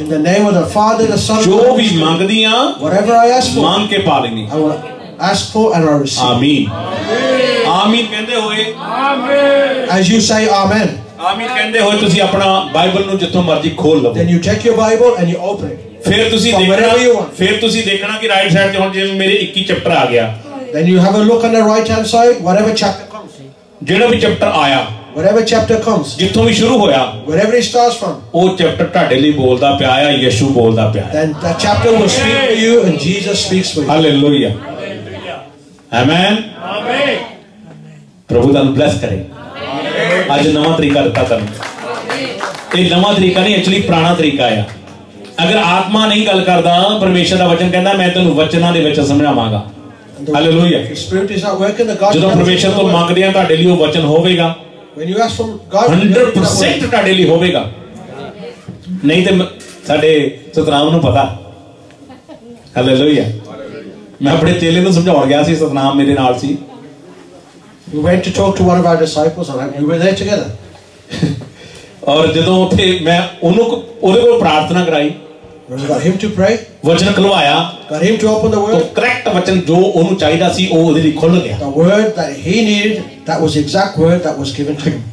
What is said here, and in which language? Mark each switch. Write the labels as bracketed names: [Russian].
[English] in the name of the father the son, [Punjabi] jo vi mangdi ha, [English] whatever I ask for, [Punjabi] maang ke pa lengi, [English] I will ask for and I will receive, [Punjabi] amen, amen kehnde hoye, amen, [English] as you say amen, [Punjabi] ਆਮੀਨ ਕਹਿੰਦੇ ਹੋਏ ਤੁਸੀਂ ਆਪਣਾ Bible ਨੂੰ ਜਿੱਥੋਂ ਮਰਜ਼ੀ ਖੋਲ ਲਓ, [English] then you check your bible and you open it, [Punjabi] ਫਿਰ ਤੁਸੀਂ ਦੇਖਣਾ, ਫਿਰ ਤੁਸੀਂ ਦੇਖਣਾ ਕਿ ਰਾਈਟ ਸਾਈਡ ਤੇ ਹੁਣ ਜਿਵੇਂ ਮੇਰੇ 21 ਚੈਪਟਰ ਆ ਗਿਆ, [English] then you have a look on the right hand side whatever chapter comes, [Punjabi] ਜਿਹੜਾ ਵੀ ਚੈਪਟਰ ਆਇਆ, [English] whatever chapter comes, [Punjabi] ਜਿੱਥੋਂ ਵੀ ਸ਼ੁਰੂ ਹੋਇਆ, [English] wherever it starts from, [Punjabi] ਉਹ ਚੈਪਟਰ ਤੁਹਾਡੇ ਲਈ ਬੋਲਦਾ ਪਿਆ ਆ, ਯਿਸੂ ਬੋਲਦਾ ਪਿਆ, [English] then the chapter will speak to you and Jesus speaks for you, hallelujah, amen, [Punjabi] ਪ੍ਰਭੂ ਤੁਹਾਨੂੰ ਬless ਕਰੇ, ਅੱਜ ਨਵਾਂ ਤਰੀਕਾ ਦਿੱਤਾ ਤੁਹਾਨੂੰ, ਇਹ ਨਵਾਂ ਤਰੀਕਾ ਨਹੀਂ, ਐਕਚੁਅਲੀ ਪੁਰਾਣਾ ਤਰੀਕਾ ਆ, ਅਗਰ ਆਤਮਾ ਨਹੀਂ ਗੱਲ ਕਰਦਾ, ਪਰਮੇਸ਼ਰ ਦਾ ਵਚਨ ਕਹਿੰਦਾ ਮੈਂ ਤੈਨੂੰ ਵਚਨਾਂ ਦੇ ਵਿੱਚ ਸਮਝਾਵਾਂਗਾ, ਹਾਲੇਲੂਇਆ, ਜਦੋਂ ਪਰਮੇਸ਼ਰ ਤੋਂ ਮੰਗਦੇ ਹਾਂ ਤੁਹਾਡੇ ਲਈ ਉਹ ਵਚਨ ਹੋਵੇਗਾ, 100% ਤੁਹਾਡੇ ਲਈ ਹੋਵੇਗਾ, ਨਹੀਂ ਤੇ ਸਾਡੇ ਸਤਨਾਮ ਨੂੰ ਪਤਾ, ਹਾਲੇਲੂਇਆ, ਮੈਂ ਆਪਣੇ ਚੇਲੇ ਨੂੰ ਸਮਝਾਉਣ ਗਿਆ ਸੀ ਸਤਨਾਮ ਮੇਰੇ ਨਾਲ ਸੀ [English] we went to talk to one of our disciples and we were there together [Punjabi] ਔਰ ਜਦੋਂ ਉੱਥੇ ਮੈਂ ਉਹਨੂੰ ਉਹਦੇ ਕੋਲ ਪ੍ਰਾਰਥਨਾ ਕਰਾਈ [English] got him to pray [Punjabi] ਵਚਨ ਖਲਵਾਇਆ [English] got him to open the word [Punjabi] correct ਵਚਨ ਜੋ ਉਹਨੂੰ ਚਾਹੀਦਾ ਸੀ ਉਹ ਉਹਦੇ ਲਈ ਖੁੱਲ ਗਿਆ [English] the word that he needed that was the exact word that was given to him